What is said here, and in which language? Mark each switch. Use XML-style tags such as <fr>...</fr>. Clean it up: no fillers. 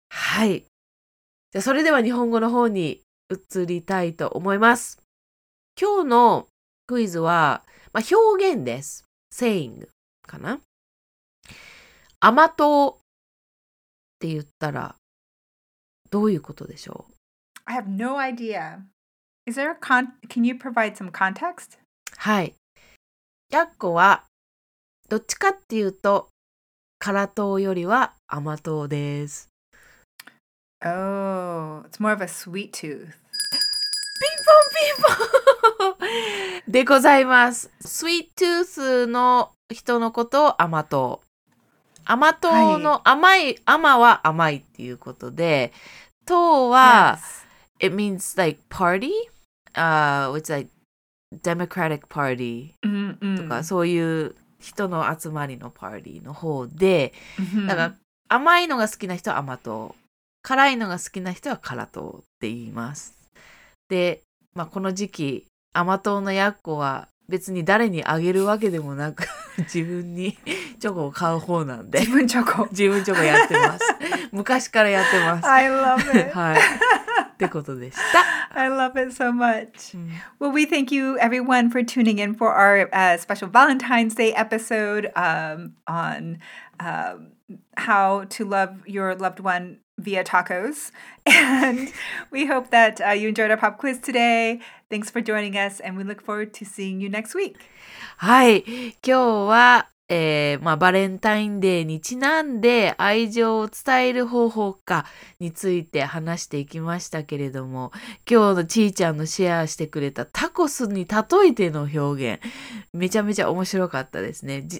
<ja>はい、じゃあそれでは日本語の方に移りたいと思います。今日のクイズは、まあ、表現です。 saying かな。甘党って言ったらどういうことでしょう。</ja> <en>I have no idea. Is there a can you provide some context?</en> <ja>はい、やっこはどっちかっていうと辛党よりは甘党です。</ja> <en>Oh, it's more of a sweet tooth.</en> <ja>ピンポンピンポンでございます。 sweet tooth の人のことを甘党、甘党の甘い、はい、甘は甘いっていうことで、党は、yes.</ja> <en>it means like party, which is like democratic party、 mm-hmm.</en> <ja>とかそういう人の集まりのパーティーの方で、mm-hmm. だから甘いのが好きな人は甘党、辛いのが好きな人は辛党って言います。で、まあこの時期甘党のやっこは別に誰にあげるわけでもなく自分にチョコを買う方なんで、自分チョコやってます。昔からやってます。</ja> <en>I love it</en> <ja>、はい、ってことでした。</ja> <en>I love it so much、うん、Well, we thank you everyone for tuning in for our、special Valentine's Day episode、on、how to love your loved one via tacos. And we hope that、you enjoyed our pop quiz today. Thanks for joining us, and we look forward to seeing you next week.</en> <ja>はい、今日は、まあ、バレンタインデーにちなんで愛情を伝える方法かについて話していきましたけれども、今日のちーちゃんのシェアしてくれたタコスに例えての表現、めちゃめちゃ面白かったですね。</ja>